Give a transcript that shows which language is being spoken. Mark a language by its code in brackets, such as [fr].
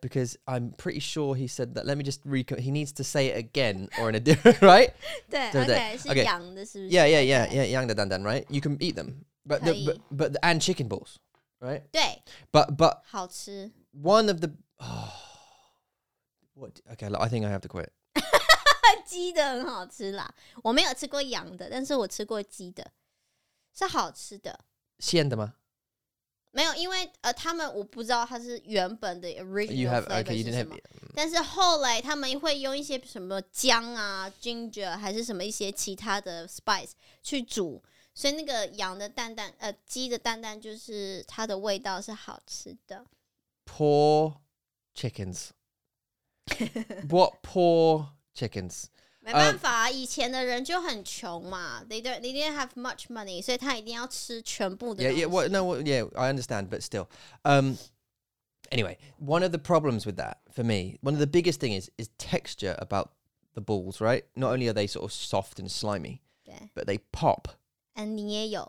[en] Because I'm pretty sure he said that. Let me just he needs to say it again or in a different, right? [zh] 对, okay, 是羊的, 是不是? [en] Yeah, yeah, yeah, yeah, [zh] 羊的蛋蛋, [en] right? You can eat them. But the, but and chicken balls, right? [zh] 对. [en] But [zh] 好吃. [en] One of the what? Okay, look, I think I have to quit. [zh] 鸡的很好吃啦。我没有吃过羊的，但是我吃过鸡的，是好吃的。鲜的吗？没有，因为他们我不知道它是原本的 original flavor是什么，但是后来他们会用一些什么姜啊 ginger 还是什么一些其他的 spice 去煮，所以那个羊的蛋蛋，鸡的蛋蛋就是它的味道是好吃的。 [en] Poor chickens. What poor chickens? [zh] 没办法，以前的人就很穷嘛. [en] They didn't have much money, [zh] 所以他一定要吃全部的东西. [en] Yeah, yeah, well, no, well, yeah, I understand, but still. Anyway, one of the problems with that for me, one of the biggest thing is texture about the balls, right? Not only are they sort of soft and slimy, but they pop. [zh] And 你也有.